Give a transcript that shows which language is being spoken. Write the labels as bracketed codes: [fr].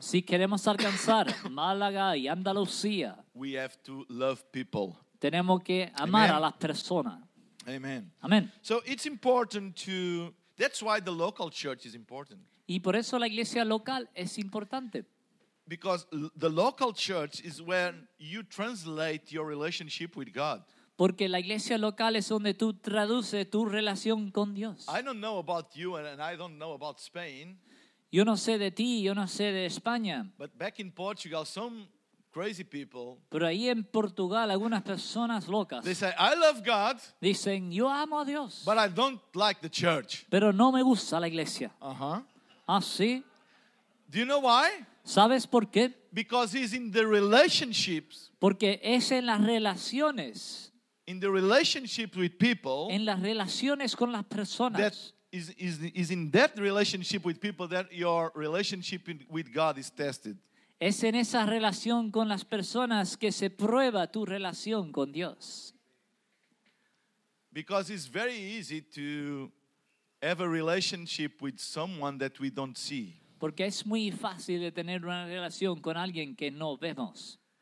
[es] si queremos alcanzar Málaga y Andalucía, [en] we have to love people. [es] Tenemos que amar a las personas. [en] Amen. [es] Amen. [en] So it's important to. That's why the local church is important. [es] Y por eso la iglesia local es importante. [en] Because the local church is where you translate your relationship with God. [es] Porque la iglesia local es donde tú traduces tu relación con Dios. [en] I don't know about you, and I don't know about Spain. [es] Yo no sé de ti, yo no sé de España. [en] But back in Portugal, some crazy people. [es] Pero ahí en Portugal, algunas personas locas. [en] They say I love God. [es] Dicen yo amo a Dios. [en] But I don't like the church. [es] Pero no me gusta la iglesia. [en] Uh-huh. [es] Ah, sí. [en] Do you know why? [es] ¿Sabes por qué? [en] Because he's in the relationships. [es] Porque es en las relaciones. [en] In the relationship with people. [es] En las relaciones con las personas. [en] That is in that relationship with people that your relationship with God is tested. [es] Es en esa relación con las personas que se prueba tu relación con Dios. [en] Because it's very easy to have a relationship with someone that we don't see. [es] Porque es muy fácil de tener una relación con alguien que no vemos.